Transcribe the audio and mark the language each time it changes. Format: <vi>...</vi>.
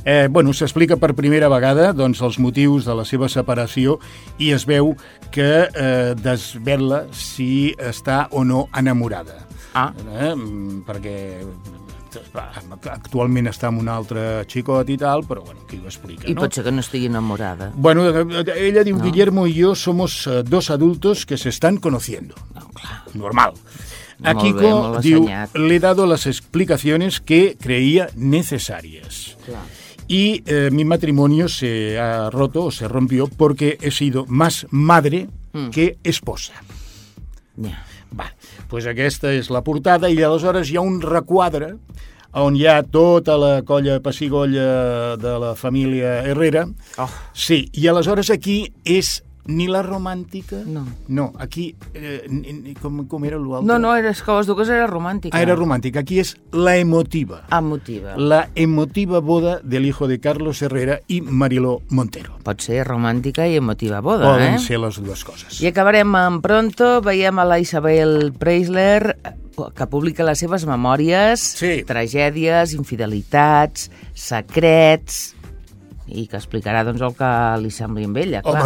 <ca>Bueno, s'explica per primera vegada doncs, els motius de la seva separació i es veu que desvela si està o no enamorada. Perquè... actualment està amb un altre xicot i tal, però bueno, qui ho explica, I pot ser que no estigui enamorada.</ca> <es>Bueno,</es> <ca>ella diu,</ca> <es>Guillermo i jo somos dos adultos que se están conociendo. Claro. Normal.</es> <ca>A molt Kiko, bé,</ca> <es>diu, le he dado las explicaciones que creía necesarias. Claro. Y mi matrimonio se ha roto o se rompió porque he sido más madre que esposa. Ya. Yeah.</es> <ca>Vale. Pues aquesta és la portada i aleshores hi ha un requadre on hi ha tota la colla pessigolla de la família Herrera. Oh. Sí, i aleshores aquí és ni la romàntica... No, aquí... Com era l'altre? No, és que les dues era romàntica. Ah, era romàntica. Aquí és la emotiva. Emotiva.</ca> <es>La emotiva boda del hijo de Carlos Herrera i Mariló Montero.</es> <ca>Pot ser romàntica i emotiva boda, Poden ser les dues coses. I acabarem amb Pronto. Veiem a la Isabel Preisler, que publica les seves memòries, sí. Tragèdies, infidelitats, secrets... I que explicarà, doncs, el que li sembli amb ella, clar.</ca>